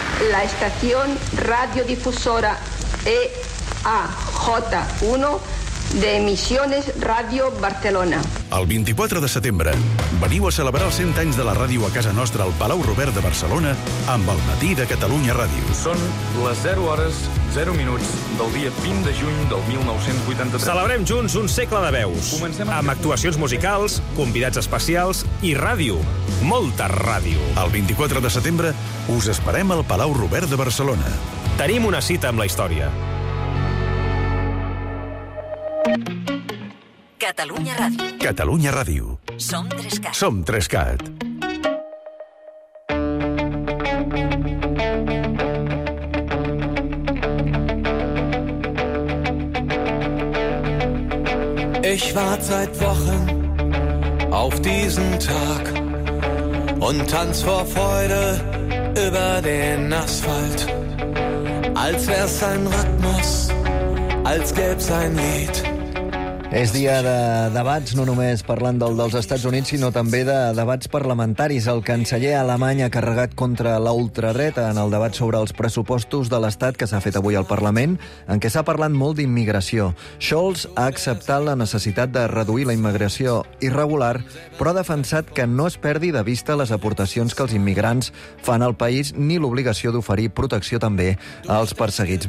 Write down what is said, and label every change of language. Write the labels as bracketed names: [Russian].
[Spanish] La estación radiodifusora EAJ1 de Emisiones Radio Barcelona. [Catalan] El 24 de setembre, veniu a celebrar els 100 anys de la ràdio a casa nostra al Palau Robert de Barcelona amb el Matí de Catalunya Ràdio. Són les 0 hores, 0 minuts del dia 20 de juny del 1983. Celebrem junts un segle de veus. Comencem amb actuacions musicals, convidats especials i ràdio. Molta ràdio. El 24 de setembre us esperem al Palau Robert de Barcelona. Tenim una cita amb la història. Catalunya Ràdio. Catalunya Ràdio. Som 3CAT. Som 3CAT. [German] Ich warte seit Wochen auf diesen Tag und tanz vor Freude über den Asphalt, als wär's ein Rhythmus, als gäb's ein Lied. [Catalan] És dia de debats, no només parlant del dels Estats Units, sinó també de debats parlamentaris. El canceller alemany ha carregat contra l'ultradreta en el debat sobre els pressupostos de l'Estat que s'ha fet avui al Parlament, en què s'ha parlat molt d'immigració. Scholz ha acceptat la necessitat de reduir la immigració irregular, però ha defensat que no es perdi de vista les aportacions que els immigrants fan al país ni l'obligació d'oferir protecció també als perseguits.